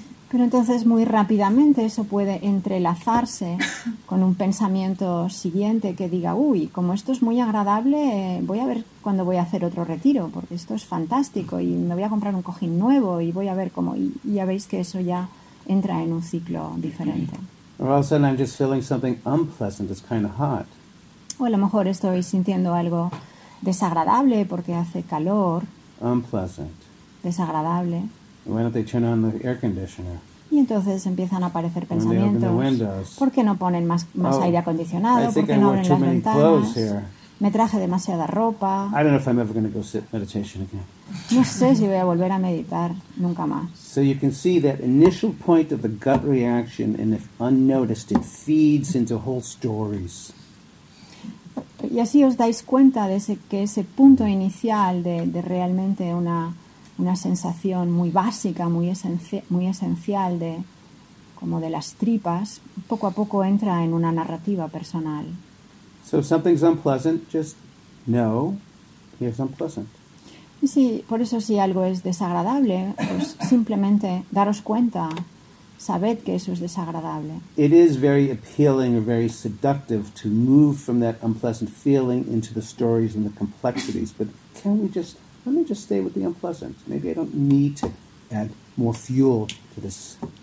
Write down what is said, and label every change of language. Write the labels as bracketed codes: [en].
[es] Pero entonces, muy rápidamente, eso puede entrelazarse con un pensamiento siguiente que diga, uy, como esto es muy agradable, voy a ver cuándo voy a hacer otro retiro, porque esto es fantástico, y me voy a comprar un cojín nuevo, y voy a ver cómo... Y ya veis que eso ya entra en un ciclo diferente. [en] Or all of a sudden I'm just feeling something unpleasant, it's kind of hot. [es] O a lo mejor estoy sintiendo algo desagradable porque hace calor. [en] Unpleasant. [es] Desagradable. [en] Why don't they turn on the air conditioner? [es] Y entonces empiezan a aparecer pensamientos. [en] When they open the windows. [es] ¿Por qué no ponen más aire acondicionado? [en] I think [es] ¿por qué [en] I [es] no [en] wore too many [es] ventanas? [en] Clothes here. [es] Me traje demasiada ropa. [en] I don't know if I'm ever going to go sit meditation again. [es] No sé si voy a volver a meditar nunca más. [en] So you can see that initial point of the gut reaction, and if unnoticed, it feeds into whole stories. [es] Y así os dais cuenta de ese punto inicial de realmente una sensación muy básica, muy esencial de como de las tripas, poco a poco entra en una narrativa personal. [en] So if something's unpleasant, just know here's unpleasant. [es] Y si, por eso si algo es desagradable, pues simplemente daros cuenta, sabed que eso es desagradable. [en] It is very appealing or very seductive to move from that unpleasant feeling into the stories and the complexities, but let me just stay with the unpleasant. Maybe I don't need to add more fuel to this.